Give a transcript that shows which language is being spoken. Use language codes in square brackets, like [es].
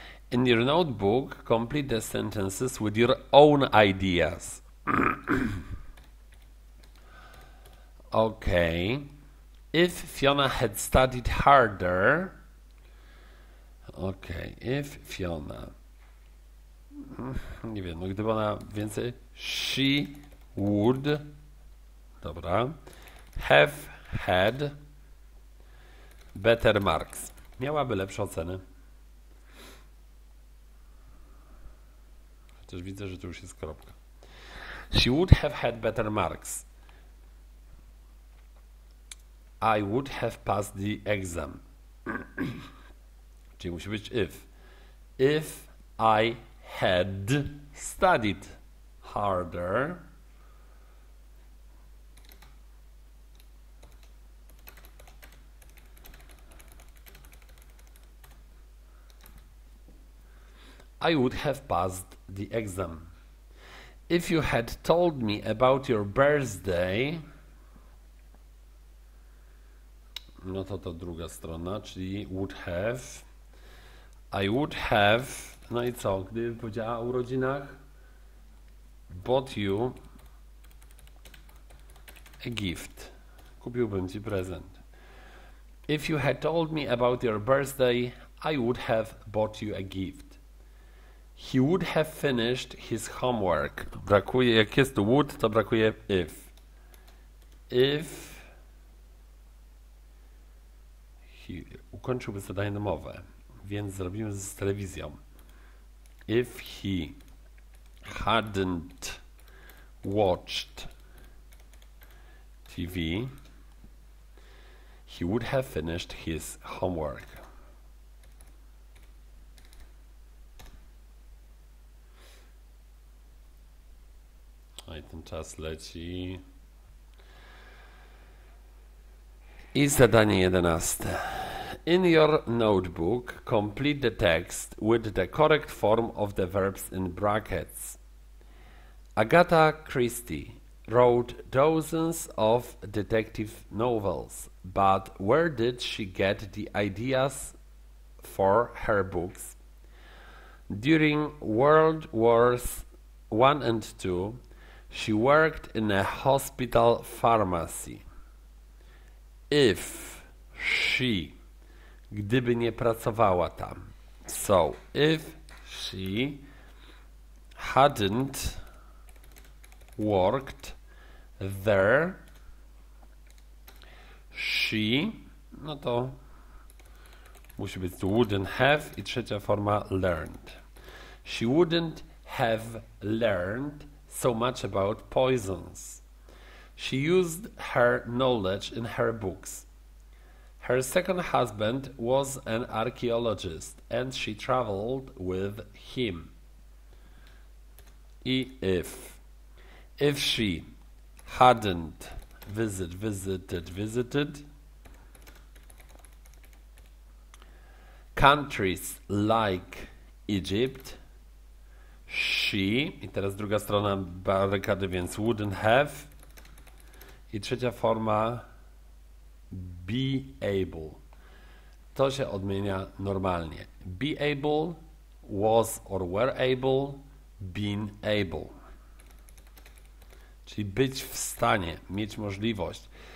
[en] In your notebook, complete the sentences with your own ideas. Okay. If Fiona had studied harder. Okay. If Fiona. [pl] Nie wiem, no gdyby ona więcej. [en] She would. Dobra. Have had better marks. [pl] Miałaby lepsze oceny. Też widzę, że tu już jest kropka. [en] She would have had better marks. I would have passed the exam. [pl] Czyli musi być [en] if. If I had studied harder. I would have passed the exam. If you had told me about your birthday. [pl] No to ta druga strona, czyli would have. [en] I would have. [pl] No i co, gdybym powiedziała o urodzinach? [en] Bought you a gift. [pl] Kupiłbym ci prezent. [en] If you had told me about your birthday, I would have bought you a gift. He would have finished his homework. [pl] Brakuje, jak jest would, to brakuje if. If he ukończyłby zadanie domowe, więc zrobimy z telewizją. [en] If he hadn't watched TV, he would have finished his homework. [pl] No i ten czas leci. I zadanie [en] 11. In your notebook, complete the text with the correct form of the verbs in brackets. Agatha Christie wrote dozens of detective novels, but where did she get the ideas for her books? During World Wars I and II, she worked in a hospital pharmacy. [pl] If she, gdyby nie pracowała tam. [en] So, if she hadn't worked there, she, [pl] no to musi być to [en] wouldn't have [pl] i trzecia forma [en] learned. She wouldn't have learned so much about poisons. She used her knowledge in her books. Her second husband was an archaeologist and she traveled with him. I if. If she hadn't visited countries like Egypt, she, [pl] i teraz druga strona barykady, więc [en] wouldn't have. [pl] I trzecia forma, be able. To się odmienia normalnie. [en] Be able, was or were able, been able. [pl] Czyli być w stanie, mieć możliwość.